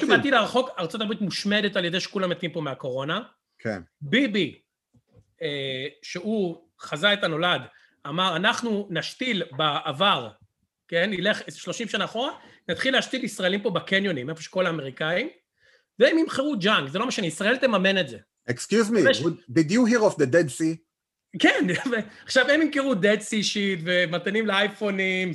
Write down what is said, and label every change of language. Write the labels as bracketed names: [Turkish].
[Hebrew] איפשהו בעתיד הרחוק, ארצות הברית מושמדת על ידי שכולם מתים פה מהקורונה. כן. ביבי, שהוא חזה את הנולד, אמר, אנחנו נשתיל בעבר, כן, נלך 30 שנה אחורה, נתחיל להשתיל ישראלים פה בקניונים, איפה שכל האמריקאים, והם ימחרו ג'אנק, זה לא משנה, ישראל תממן את זה. [English] Excuse me, did you hear of the Dead Sea? [Hebrew] כן, עכשיו הם ימכרו [English] Dead Sea shit, [Hebrew] ומתנים לאייפונים,